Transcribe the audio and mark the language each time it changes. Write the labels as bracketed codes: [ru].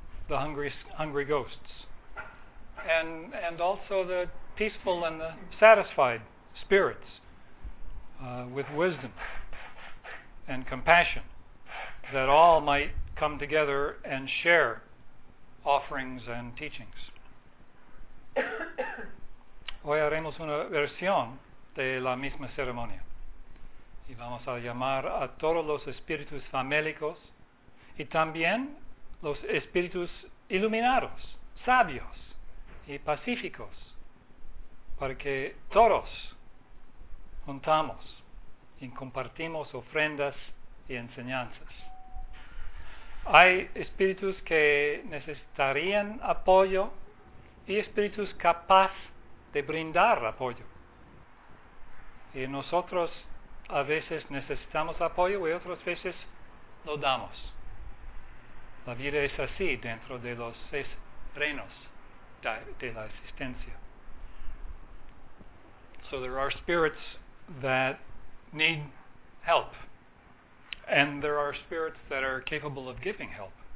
[en] the hungry ghosts, and also the peaceful and the satisfied spirits with wisdom and compassion, that all might come together and share offerings and teachings. [es] Hoy haremos una versión de la misma ceremonia. Y vamos a llamar a todos los espíritus famélicos y también los espíritus iluminados, sabios y pacíficos, para que todos juntamos y compartimos ofrendas y enseñanzas. Hay espíritus que necesitarían apoyo y espíritus capaces de brindar apoyo. Y nosotros a veces necesitamos apoyo y otras veces lo damos. La vida es así dentro de los seis reinos de la existencia. [en] So there are spirits that need help, and there are spirits that are capable of giving help.